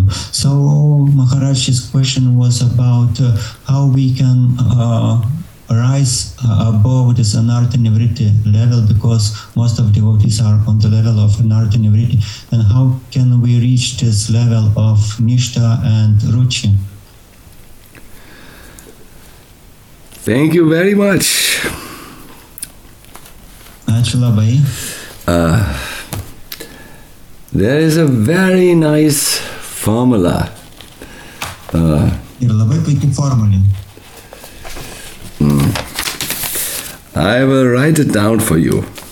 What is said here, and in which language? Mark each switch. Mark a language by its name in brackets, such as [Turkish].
[English] So Maharaj's question was about how we can rise above this anartha nivritti level, because most of devotees are on the level of anartha nivritti, and how can we reach this level of nishta and ruchi? Thank you very much. [Lithuanian] Ačiū labai. [English] There is a very nice formula. [Lithuanian] Yra labai puikia formulė. [English] I will write it down for you.